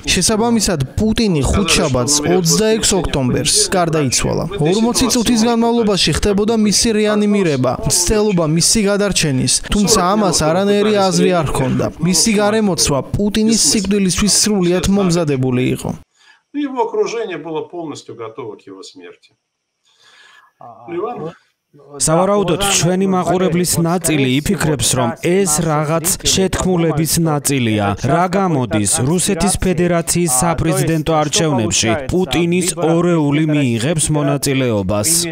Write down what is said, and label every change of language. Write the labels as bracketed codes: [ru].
[ka] შესაბამისად პუტინი 5 შაბათს 26 ოქტომბერს გარდაიცვალა. 40 წუთის განმავლობაში ხდებოდა მისი რეანიმირება, მცდელობა მისი გადარჩენის, თუმცა ამას არანაირი აზრი არ ჰქონდა. მისი გარემოცვა პუტინის სიკვდილისთვის სრულიად მომზადებული იყო. [ru] Его окружение было полностью готово к его смерти. Леван. [ka] Савараудот, ჩვენი მაყურებლის ნაწილი იფიქრებს, რომ ეს რაღაც შეთქმულების ნაწილია, რა გამოდის რუსეთის ფედერაციის საპრეზიდენტო არჩევნებში, პუტინის ორეული მიიღებს მონაწილეობას.